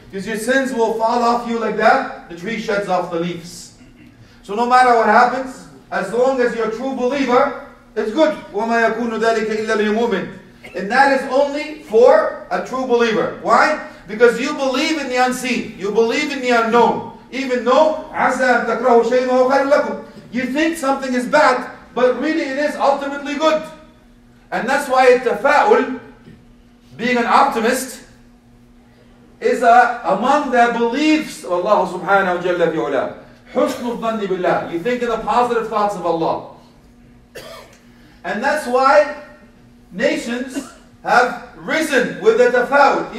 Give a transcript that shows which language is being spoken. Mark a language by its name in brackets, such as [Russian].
[English] Because your sins will fall off you like that, the tree sheds off the leaves. So no matter what happens, as long as you're a true believer, it's good. [Arabic] وَمَا يَكُونُ ذَلِكَ إِلَّا لِلْمُؤْمِنِ. [English] And that is only for a true believer. Why? Because you believe in the unseen. You believe in the unknown. Even though, [Arabic] عَسَىٰ تَكْرَهُ شَيْءٍ وَخَيْرٌ لَكُمْ. [English] You think something is bad, but really it is ultimately good. And that's why التفاؤل, being an optimist, is among the beliefs of Allah subhanahu wa jalla bi'ula. [Arabic] حُسْنُ الظَّنِّ بِاللَّهِ. [English] You think of the positive thoughts of Allah. And that's why nations have risen with the tafa'ul.